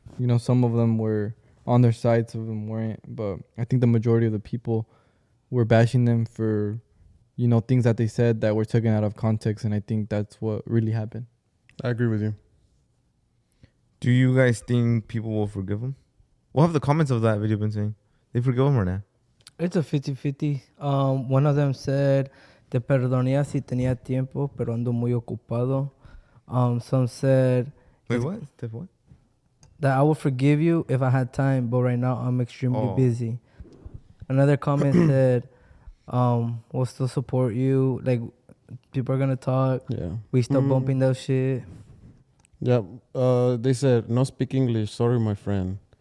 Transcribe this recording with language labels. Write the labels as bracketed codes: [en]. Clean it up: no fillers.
[en] You know, some of them were on their side, some of them weren't. But I think the majority of the people were bashing them for, you know, things that they said that were taken out of context, and I think that's what really happened. I agree with you. Do you guys think people will forgive him? What have the comments of that video been saying? They forgive him or not? It's a 50-50. One of them said, [es] te perdonía si tenía tiempo, pero ando muy ocupado. [en] Some said, Wait, what? That I will forgive you if I had time, but right now I'm extremely busy. Another comment said, we'll still support you. Like, people are gonna talk. Yeah. We still bumping that shit. Yeah. They said, no speak English. Sorry, my friend.